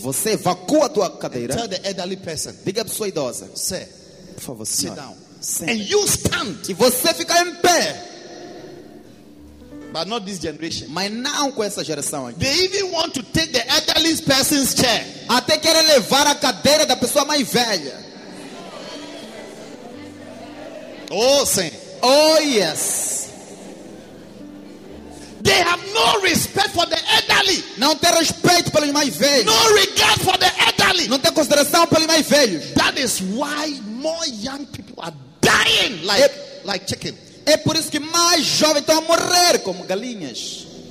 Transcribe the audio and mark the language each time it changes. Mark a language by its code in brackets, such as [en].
[pt] você evacua a tua cadeira, [en] and tell the elderly person, [pt] diga a pessoa idosa, [en] sir, [pt] por favor, [en] sit [pt] senhora, [en] down, and you stand, [pt] e você fica em pé. [en] But not this generation. [pt] Mas não com essa geração aqui. They even want to take the elderly person's chair. Até querem levar a cadeira da pessoa mais velha. Oh, sim. [en] Oh, yes. They have no respect for the elderly. [pt] Não tem respeito pelos mais velhos. [en] No regard for the elderly. [pt] Não tem consideração pelos mais velhos. [en] That is why more young people are dying like chicken. [pt] É por isso que mais jovens estão a morrer como galinhas.